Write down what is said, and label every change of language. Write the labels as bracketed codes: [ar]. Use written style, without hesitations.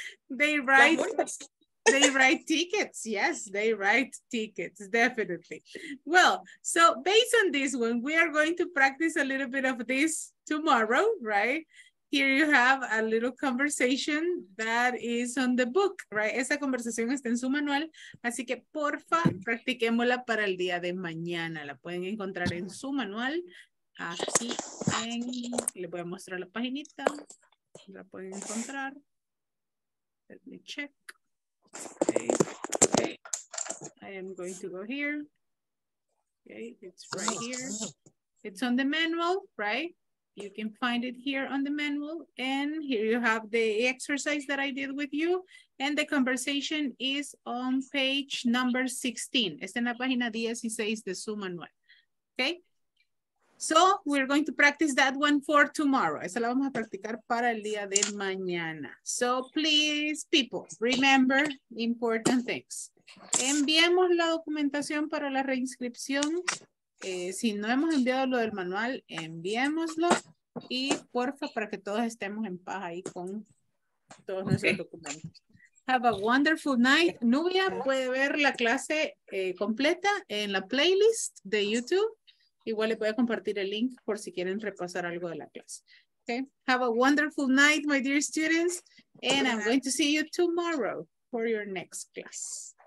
[en] They write tickets. Yes, they write tickets, definitely. Well, so based on this one, we are going to practice a little bit of this tomorrow, right? Here you have a little conversation that is on the book, right? [es] Esa conversación está en su manual, así que porfa, practiquémosla para el día de mañana. La pueden encontrar en su manual. Así, le voy a mostrar la paginita. La pueden encontrar. [en] Let me check. Okay. I am going to go here. Okay, it's right here. It's on the manual, right? You can find it here on the manual. And here you have the exercise that I did with you. And the conversation is on page number 16. [es] Está en la página 16 de su manual. Okay? [en] So we're going to practice that one for tomorrow. [es] Esa la vamos a practicar para el día de mañana. [en] So please, people, remember important things. [es] Enviemos la documentación para la reinscripción. Si no hemos enviado lo del manual, enviémoslo. Y porfa, para que todos estemos en paz ahí con todos nuestros documentos. [en] Have a wonderful night. [es] Nubia puede ver la clase completa en la playlist de YouTube. Igual le voy a compartir el link por si quieren repasar algo de la clase. [en] Okay. Have a wonderful night, my dear students. And I'm going to see you tomorrow for your next class.